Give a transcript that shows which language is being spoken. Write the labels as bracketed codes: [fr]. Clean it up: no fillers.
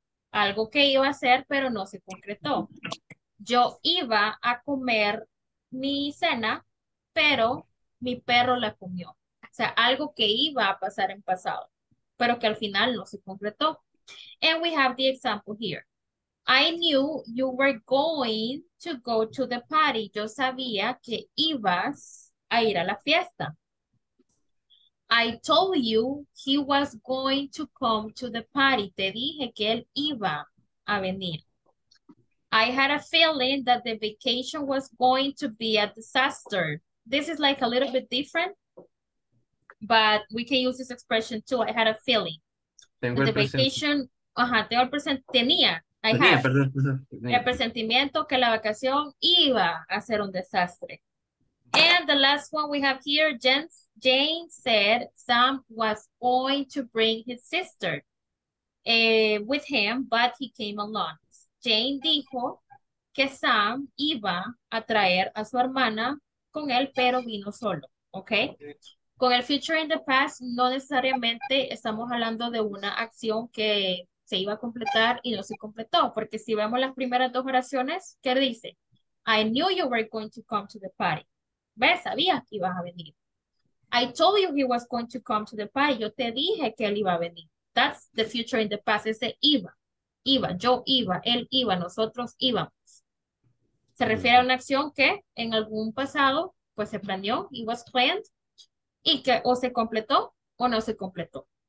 [es] Algo que iba a hacer, pero no se concretó. Yo iba a comer mi cena, pero mi perro la comió. O sea, algo que iba a pasar en pasado, pero que al final no se concretó. [en] And we have the example here. I knew you were going to go to the party. [es] Yo sabía que ibas a ir a la fiesta. [en] I told you he was going to come to the party. [es] Te dije que él iba a venir. [en] I had a feeling that the vacation was going to be a disaster. This is like a little bit different, but we can use this expression too. I had a feeling. [es] Tengo [en] the vacation, [es] tengo el tenía. I tenía, [en] had [es] perdón. El presentimiento que la vacación iba a ser un desastre. [en] And the last one we have here, Jane said Sam was going to bring his sister with him, but he came alone. [es] Jane dijo que Sam iba a traer a su hermana con él, pero vino solo, ¿okay? Con el future in the past, no necesariamente estamos hablando de una acción que se iba a completar y no se completó, porque si vemos las primeras dos oraciones, ¿qué dice? [en] I knew you were going to come to the party. [es] ¿Ves? Sabías que ibas a venir. [en] I told you he was going to come to the party. [es] Yo te dije que él iba a venir. [en] That's the future in the past. [es] Ese iba. Iba, yo iba, él iba, nosotros íbamos. Se refiere a una acción que en algún pasado pues se planeó, [en] it was planned, [es] y que o se completó o no se completó.